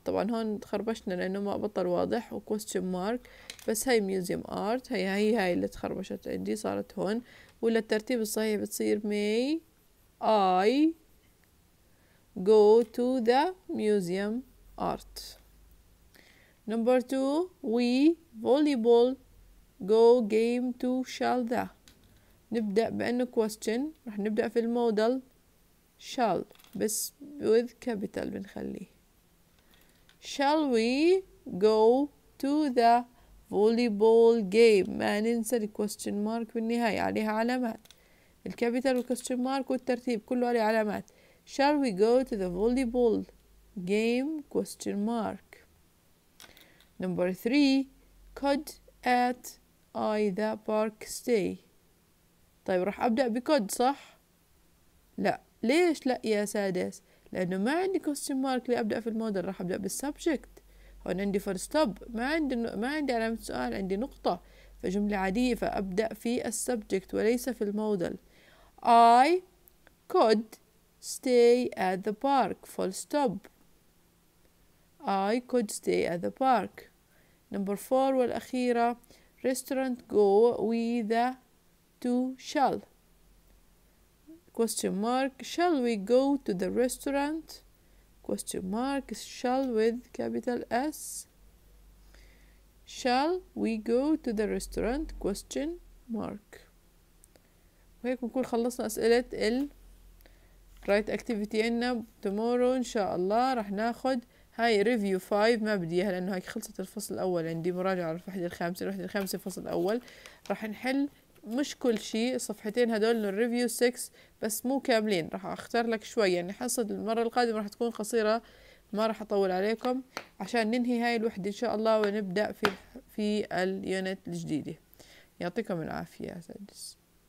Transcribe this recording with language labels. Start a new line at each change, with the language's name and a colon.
Arabic: طبعا هون تخربشنا لانه ما بطل واضح وquestion mark بس هاي museum art هاي اللي تخربشت عندي صارت هون. ولا الترتيب الصحيح بتصير
English: may I go to the museum art. number two we volleyball go game to shall the.
Arabic: نبدأ بأنه question رح نبدأ في المودل shall بس
English: with capital
Arabic: بنخليه.
English: shall we go to the volleyball game.
Arabic: ما ننسى ال question mark بالنهاية عليها علامات ال capital و question mark والترتيب كله عليه علامات.
English: shall we go to the volleyball game question mark. number three could at I the park stay.
Arabic: طيب راح أبدأ بكود صح؟ لا ليش لا يا سادس؟ لأنه ما عندي question mark لي أبدأ في المودل راح أبدأ بالسبجكت. هون عندي first stop ما عندي علامة سؤال عندي نقطة فجملة عادية فأبدأ في السبجكت وليس في المودل.
English: I could stay at the park full stop. I could stay at the park. number four والأخيرة restaurant go with the to shall question mark. shall we go to the restaurant question mark shall with capital S. shall we go to the restaurant question mark.
Arabic: وهيك بنكون خلصنا أسئلة ال write activity عنا. tomorrow إن شاء الله رح ناخد هاي review 5 ما بدي إياها لأنه هاي خلصت الفصل الأول عندي مراجعة على الوحدة الخامسة. الوحدة الخامسة الفصل الأول رح نحل مش كل شيء الصفحتين هدول الريفيو 6 بس مو كاملين راح اختار لك شوي يعني حصة المرة القادمة راح تكون قصيرة ما راح اطول عليكم عشان ننهي هاي الوحدة ان شاء الله ونبدأ في اليونت الجديدة. يعطيكم العافية يا سادس.